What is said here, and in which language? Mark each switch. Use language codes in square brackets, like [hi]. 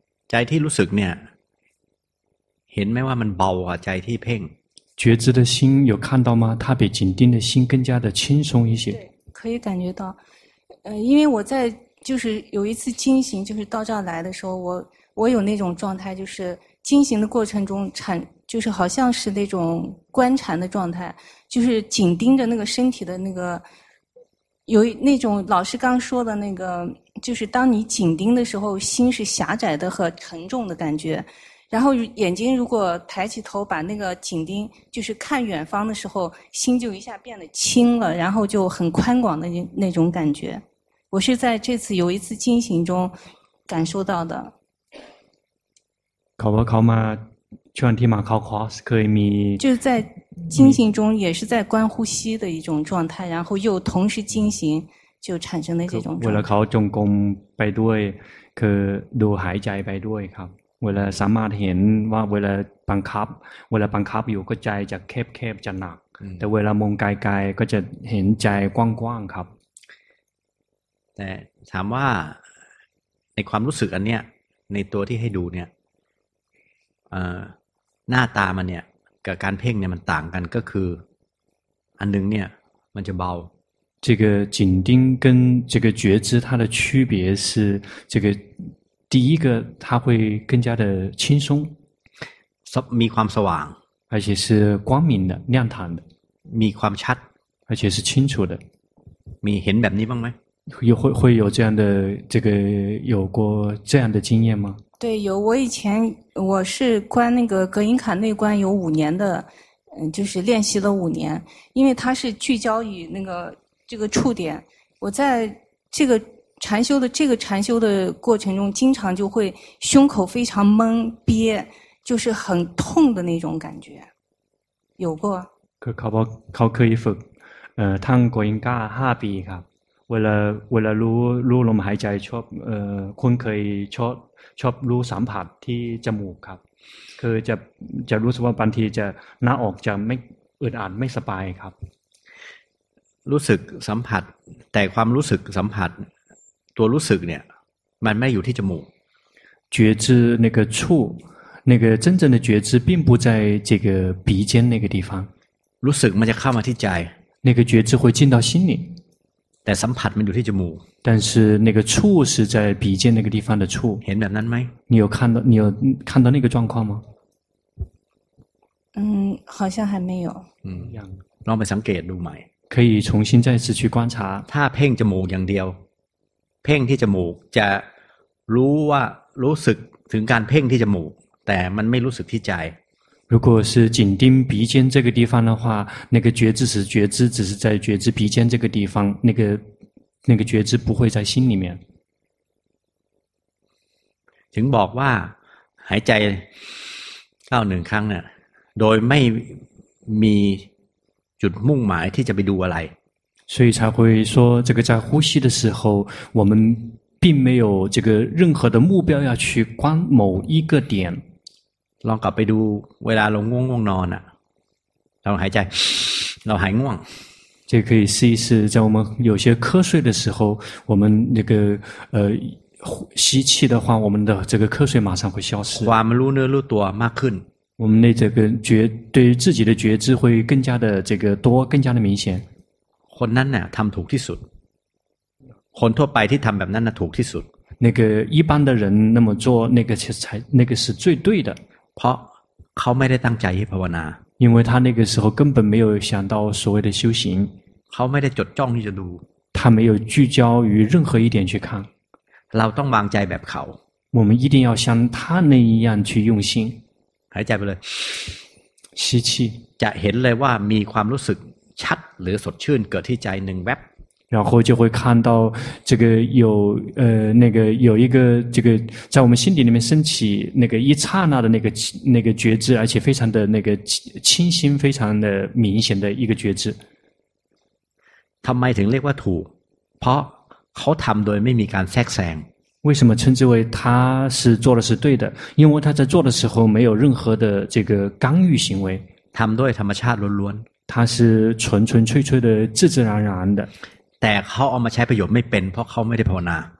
[th] ใจที่รู้สึกเนี่ยเห็นไหมว่ามันเบากว่าใจที่เพ่ง [zh] 觉知的心有看到吗它比紧盯的心更加的轻松一些可以感觉到因为我在就是有一次惊醒就是到这儿来的时候我有那种状态就是惊醒的过程中产就是好像是那种观禅的状态就是紧盯着那个身体的那个有那种老师刚说的那个就是当你紧盯的时候心是狭窄的和沉重的感觉然后眼睛如果抬起头把那个紧盯就是看远方的时候心就一下变得轻了然后就很宽广的那种感觉我是在这次有一次惊醒中感受到的考不考吗 [th] ช่วงที่มาเข้าคอร์สเคยมี [zh] 就是在惊醒中也是在观呼吸的一种状态然后又同时惊醒就产生了这种状态 [th] เวลาเขาจงกรมไปด้วยคือดูหายใจไปด้วยครับเวลาสามารถเห็นว่าเวลาบังคับอยู่ก็ใจจะแคบๆจะหนักแต่เวลามองไกลๆก็จะเห็นใจกว้างๆครับ แต่ถามว่าในความรู้สึกอันเนี้ยในตัวที่ให้ดูเนี่ยหน้าตามันเนี่ยกับการเพ่งเนี่ยมันต่างกันก็คืออันนึงเนี่ยมันจะเบา [zh] 这个紧盯跟这个觉知它的区别是这个第一个它会更加的轻松 [th] มีความสว่าง [zh] 而且是光明的亮堂的 [th] มีความชัด [zh] 而且是清楚的 [th] มีเห็นแบบนี้บ้างไหม [zh] 会有这样的这个有过这样的经验吗对有我以前我是观那个格音卡内观有五年的就是练习了五年因为它是聚焦于那个这个触点我在这个禅修的过程中经常就会胸口非常闷憋就是很痛的那种感觉有过 [th] เขาเคยฝึกท่านกวินกาห้าปีครับเวลารู้ลมหายใจชอบคุณเคยชอบรู้สัมผัสที่จมูกครับคือจะรู้สึกว่าบางทีจะหน้าออกจะไม่อึดอัดไม่สบายครับ รู้สึกสัมผัสแต่ความรู้สึกสัมผัสตัวรู้สึกเนี่ยมันไม่อยู่ที่จมูก [zh] 觉知那个触那个真正的觉知并不在这个鼻尖那个地方 [th] รู้สึกมันจะเข้ามาที่ใจ [zh] 那个觉知会进到心里 [th] แต่สัมผัสมันอยู่ที่จมูก [zh] 但是那个触是在鼻尖那个地方的触 [th] เห็นแบบนั้นไหม [zh] 你有看到那个状况吗好像还没有 [th] ลองไปสังเกตดูใหม่ [zh] 可以重新再次去观察 [th] ถ้าเพ่งจมูกอย่างเดียวเพ่งที่จมูกจะรู้ว่ารู้สึกถึงการเพ่งที่จมูกแต่มันไม่รู้สึกที่ใจ [zh] 如果是紧盯鼻尖这个地方的话那个觉知是觉知只是在觉知鼻尖这个地方那个觉知不会在心里面 [th] ถึงบอกว่าหายใจเข้าหนึ่งครั้งเนี่ยโดยไม่มีจุดมุ่งหมายที่จะไปดูอะไร [zh] 所以才会说这个在呼吸的时候我们并没有这个任何的目标要去观某一个点 [th] ลองกลับไปดูเวลาเราง่วงนอนอะเราหายใจเราหายง่วง [zh] 这可以试一试在我们有些瞌睡的时候我们那个吸气的话我们的这个瞌睡马上会消失 [th] ความรู้เนื้อรู้ตัวมากขึ้น [zh] 我们的这个觉对于自己的觉知会更加的这个多更加的明显 [th] คนนั้นน่ะทำถูกที่สุดคนทั่วไปที่ทำแบบนั้นน่ะถูกที่สุด [zh] 那个一般的人那么做那个才那个是最对的 [th] เพราะเขาไม่ได้ตั้งใจให้ภาวนา [zh] 因为他那个时候根本没有想到所谓的修行 [th] เขาไม่ได้จดจ้องที่จะดู [zh] 他没有聚焦于任何一点去看 [th] เราต้องวางใจแบบเขา [zh] 我们一定要像他那一样去用心 [th] หายใจไปเลย [zh] 吸气 [th] จะเห็นเลยว่ามีความรู้สึกชัดหรือสดชื่นเกิดที่ใจหนึ่งแวบ [zh] 然后就会看到这个有那个有一个这个在我们心底里面升起那个一刹那的那个觉知，而且非常的那个清新，非常的明显的一个觉知。 [th] ทำไมถึงเรียกว่าถูก？ เพราะเขาทำโดยไม่มีการแทรกแซง。 [zh] 为什么称之为他是做的是对的？因为他在做的时候没有任何的这个干预行为。 [th] ทำโดยธรรมชาติล้วน ๆ。 [zh] 他是纯纯粹粹的自自然然的。 [th] แต่เขาเอามาใช้ประโยชน์ไม่เป็นเพราะเขาไม่ได้ภาวนา